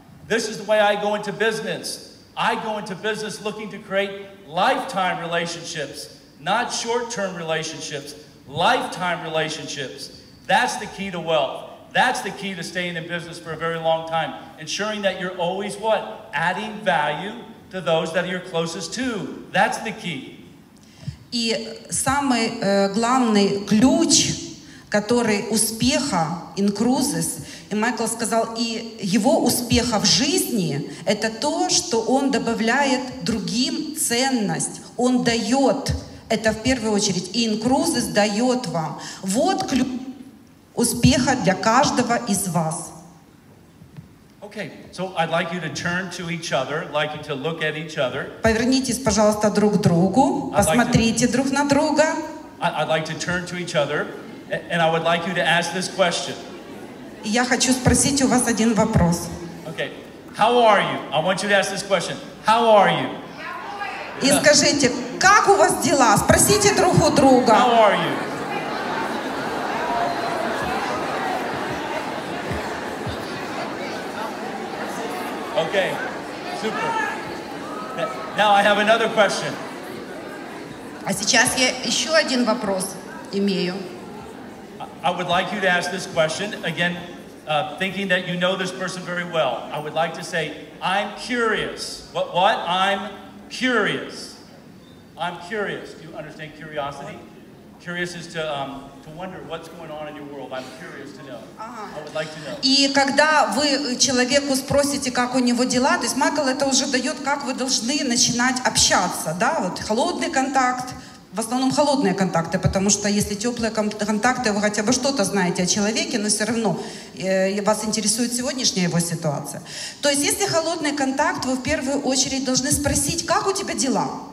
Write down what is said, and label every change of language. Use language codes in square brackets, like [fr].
[en] This is the way I go into business. I go into business looking to create lifetime relationships. Not short-term relationships, lifetime relationships. That's the key to wealth. That's the key to staying in business for a very long time. Ensuring that you're always what? Adding value to those that you're closest to. That's the key. [ru] И самый главный ключ, который успеха Incruises, и Майкл сказал, и его успеха в жизни, это то, что он добавляет другим ценность. Он дает. Это в первую очередь. И Incruises дает вам. Вот ключ успеха для каждого из вас. [en] Okay. So I'd like you to turn to each other, like you to look at each other. [ru] Повернитесь, пожалуйста, друг к другу. Посмотрите друг на друга. [en] I'd like to turn to each other, and I would like you to ask this question. [ru] Я хочу спросить у вас один вопрос. [en] Okay. How are you? I want you to ask this question. How are you? [ru] И скажите, как у вас дела? Спросите друг у друга. [en] How are you? Okay, super. Now I have another question. [ru] А сейчас я еще один вопрос имею. [en] I would like you to ask this question again, thinking that you know this person very well. I would like to say, I'm curious. What? I'm curious. I'm curious. Do you understand curiosity? Curious is to wonder what's going on in your world. I'm curious to know. I would like to know. [ru] И когда вы человеку спросите, как у него дела, то есть Майкл это уже дает, как вы должны начинать общаться, да? Вот холодный контакт, в основном холодные контакты, потому что если теплые контакты, вы хотя бы что-то знаете о человеке, но все равно вас интересует сегодняшняя его ситуация. То есть если холодный контакт, вы в первую очередь должны спросить, как у тебя дела?